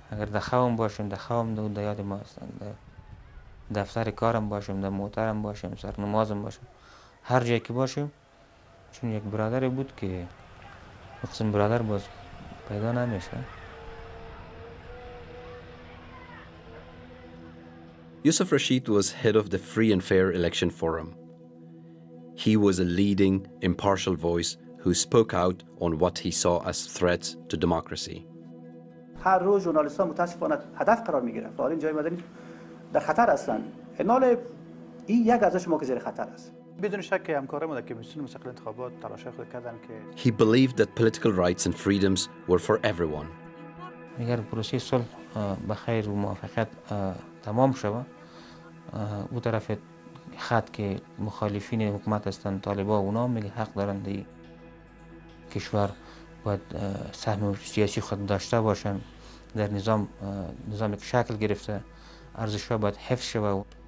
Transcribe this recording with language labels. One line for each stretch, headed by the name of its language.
Persian: اگر در خوابم باشم، در خوابم در یاد ما است. دفتر کارم باشم، در موترم باشم، سر نمازم باشم، هر جایی که باشم چون یک برادر بود که قسم برادر باز پیدا نمیشه.
English: Yusuf Rashid was head of the Free and Fair Election Forum. He was a leading, impartial voice who spoke out on what he saw as threats to democracy.
Persian: هر روز ژورنالیست ها متاسفانه هدف قرار می گیرند. حالا اینجا مدنی در خطر هستند. اینال این یک ارزش ما که زیر خطر است. بدون شک که همکاره ما در کمیسیون مستقل انتخابات تلاش خود کردن که
English: He believed that political rights and freedoms were for everyone.
Persian: اگر پروسه صلح به خیر و موافقت تمام شوه او طرف خط که مخالفین حکومت هستند طالبا اونا میگه حق دارند این کشور باید سهم سیاسی خود داشته باشند در نظام نظامی که شکل گرفته ارزش ها باید حفظ شوه.